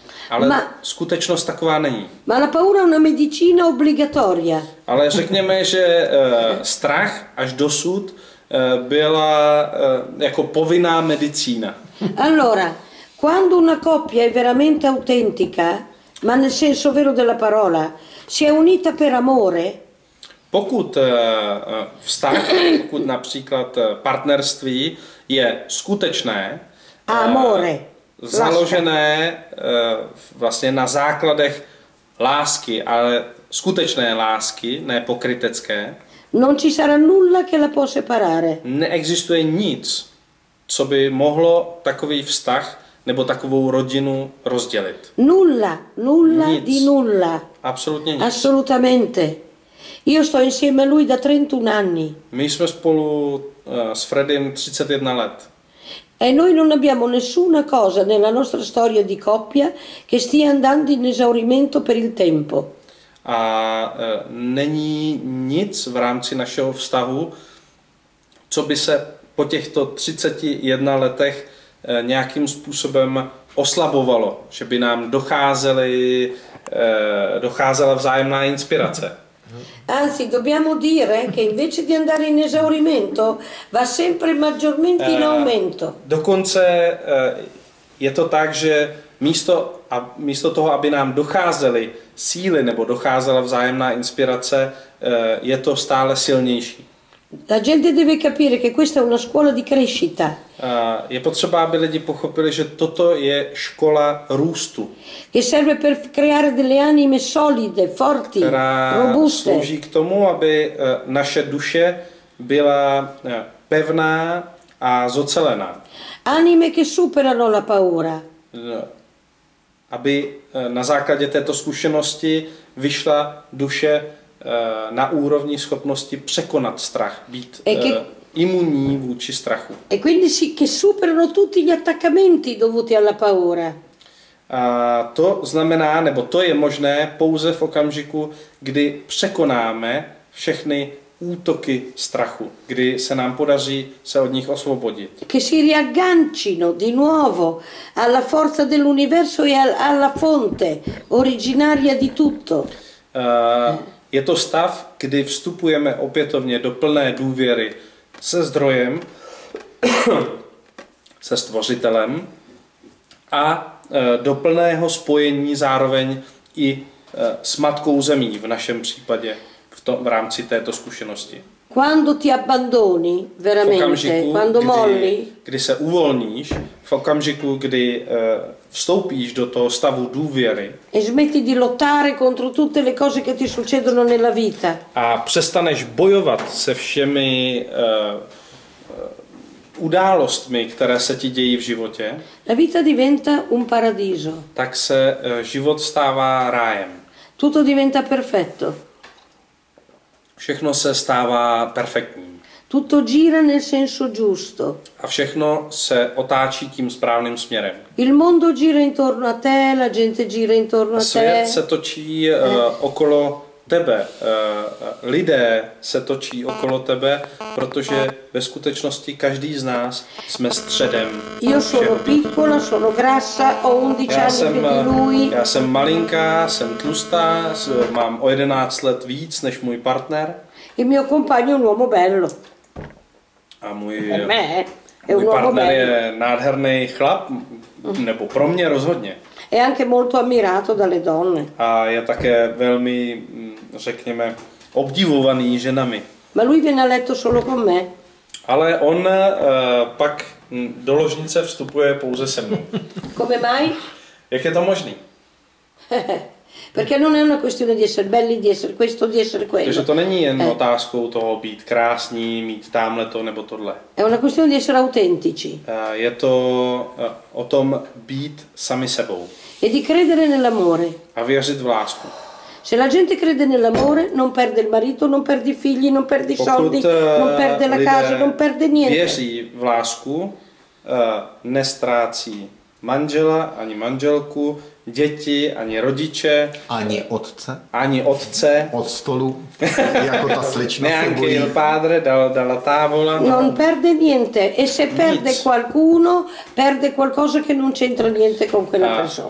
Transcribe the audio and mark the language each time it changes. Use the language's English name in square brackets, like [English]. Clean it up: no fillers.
[Czech] Ale skutečnost taková není. [Italian] Ma la paura è una medicina obbligatoria. [Czech] Ale řekněme, že strach až dosud byla jako povinná medicína. [Italian] Allora, quando una coppia è veramente autentica, ma nel senso vero della parola, si è unita per amore. [Czech] Pokud vztah, pokud například partnerství je skutečné, [Italian] amore. [Czech] Založené vlastně na základech lásky, ale skutečné lásky, ne pokrytecké. [Italian] Non ci sarà nulla che la può separare. [Czech] Neexistuje nic, co by mohlo takový vztah nebo takovou rodinu rozdělit. [Italian] Nulla, nulla [Czech] nic. [Italian] Di nulla. [Czech] Absolutně nic. [Italian] Assolutamente. Io sto insieme a lui da 31 anni. [Czech] My jsme spolu s Fredym 31 let. [Italian] E noi non abbiamo nessuna cosa nella nostra storia di coppia che stia andando in esaurimento per il tempo. [Czech] A není nic v rámci našeho vztahu, co by se po těchto 31 letech nějakým způsobem oslabovalo, že by nám docházela vzájemná inspirace. [Italian] Anzi, dobbiamo dire che invece di andare in esaurimento va sempre maggiormente in aumento. [Czech] Dokonce je to tak, že místo toho, aby nám docházely síly nebo docházela vzájemná inspirace, je to stále silnější. [Italian] La gente deve capire che questa è una scuola di crescita. [Czech] Je potřeba, aby lidi pochopili, že toto je škola růstu. [Italian] Che serve per creare delle anime solide, forti, robuste. [Czech] Slouží k tomu, aby naše duše byla pevná a zocelená. [Italian] Anime che superano la paura. [Czech] Aby na základě této zkušenosti vyšla duše na úrovni schopnosti překonat strach, být imunní vůči strachu. [Italian] E quindi si che superano tutti gli attaccamenti dovuti alla paura. [Czech] A to znamená, nebo to je možné pouze v okamžiku, kdy překonáme všechny útoky strachu, kdy se nám podaří se od nich osvobodit. [Italian] Che si riaggancino di nuovo alla forza dell'universo e alla fonte originaria di tutto. [Czech] Je to stav, kdy vstupujeme opětovně do plné důvěry se zdrojem, se stvořitelem a do plného spojení zároveň i s matkou zemí v našem případě v rámci této zkušenosti. [Italian] Quando ti abbandoni veramente, quando molli, [Czech] kdy se uvolníš, v okamžiku, kdy vstoupíš do toho stavu důvěry. [Italian] E smetti di lottare contro tutte le cose che ti succedono nella vita. [Czech] A přestaneš bojovat se všemi událostmi, které se ti dějí v životě. [Italian] La vita diventa un paradiso. [Czech] Tak se život stává rájem. [Italian] Tutto diventa perfetto. [Czech] Všechno se stává perfektním. [Italian] Tutto gira nel senso giusto. [Czech] A všechno se otáčí tím správným směrem. [Italian] Il mondo gira intorno a te, la gente gira intorno a te. [Czech] Svět se točí okolo tebe. Lidé se točí okolo tebe, protože ve skutečnosti každý z nás jsme středem. [Italian] Io sono piccola, sono grassa, ho 11 anni più di lui. [Czech] Já jsem malinká, jsem tlustá, mám o 11 let víc než můj partner. [Italian] Il mio compagno è un uomo bello. [Czech] A můj partner je nádherný chlap, nebo pro mě rozhodně. [Italian] È anche molto ammirato dalle donne. [Czech] A je také velmi, řekněme, obdivovaný ženami. [Italian] Ma lui viene a letto solo con me. [Czech] Ale on pak do ložnice vstupuje pouze se mnou. [Italian] Come mai? [Czech] Jak je to možný? [Italian] Perché non è una questione di essere belli, di essere questo, di essere quello. [Czech] Takže to není jen otázkou toho být krásný, mít tamhle to nebo tohle. [Italian] È una questione di essere autentici. [Czech] Je to o tom být sami sebou. [Italian] E di credere nell'amore. [Czech] A věřit v lásku. [Italian] Se la gente crede nell'amore, non perde il marito, non perde i figli, non perde i soldi, non perde la casa, non perde niente. [Czech] Věří v lásku, nestrácí manžela ani manželku, děti ani rodiče, ani otce od stolu, jako ta slečna. [Italian] Neanche il padre dalla tavola. Non perde niente e se perde qualcuno, perde qualcosa che non c'entra niente con quella persona.